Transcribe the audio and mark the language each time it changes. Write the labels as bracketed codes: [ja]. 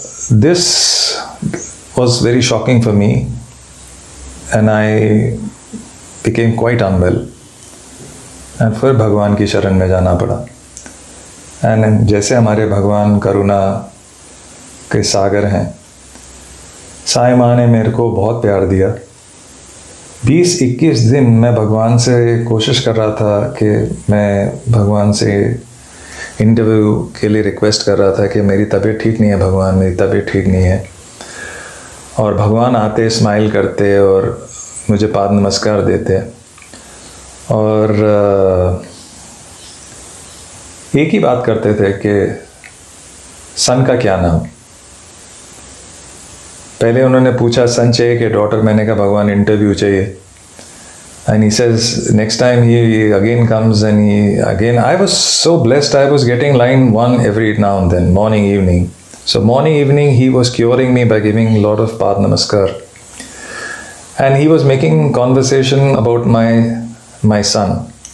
[en] This was very shocking for me, and I became quite unwell. [hi] And फिर भगवान की शरण में जाना पड़ा. And जैसे हमारे भगवान करुणा के सागर हैं, साईं माँ ने मेरे को बहुत प्यार दिया. 20-21 दिन मैं भगवान से कोशिश कर रहा था कि मैं भगवान से इंटरव्यू के लिए रिक्वेस्ट कर रहा था कि मेरी तबीयत ठीक नहीं है भगवान, मेरी तबीयत ठीक नहीं है. और भगवान आते, स्माइल करते और मुझे पाद नमस्कार देते. और एक ही बात करते थे कि सन का क्या नाम. पहले उन्होंने पूछा सन चाहिए कि डॉटर. मैंने कहा भगवान इंटरव्यू चाहिए. [en] And he says, next time he again comes and he again, I was so blessed, I was getting line one every now and then, morning, evening. So morning, evening, he was curing me by giving a lot of Pad Namaskar. And he was making conversation about my son.